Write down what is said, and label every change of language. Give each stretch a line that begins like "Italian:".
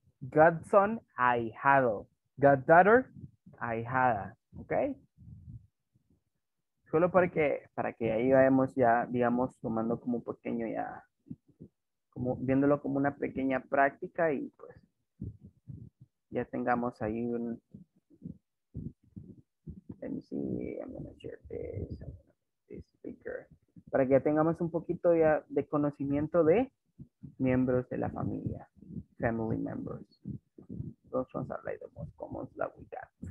Spanish: Godson, ahijado. Goddaughter, ahijada, ok. Solo para que ahí vayamos ya, digamos, tomando como pequeño ya, como viéndolo como una pequeña práctica y pues ya tengamos ahí un.
English: Let me see, I'm gonna share this, speaker.
Spanish: Para que ya tengamos un poquito ya de conocimiento de miembros de la familia, family members.
English: those ones are like the most common that we got.